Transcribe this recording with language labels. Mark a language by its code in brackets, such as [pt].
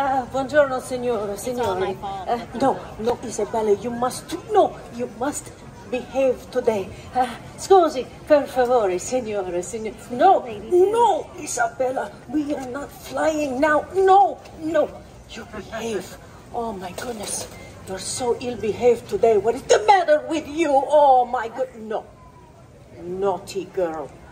[it] Buongiorno, signore, signori. [en] No, no, Isabella, you must, no, you must behave today. [it] Scusi, per favore, signore, signore. [en] No, no, Isabella, we are not flying now. No, no, you behave. Oh, my goodness, you're so ill-behaved today. What is the matter with you? Oh, my goodness, no. Naughty girl.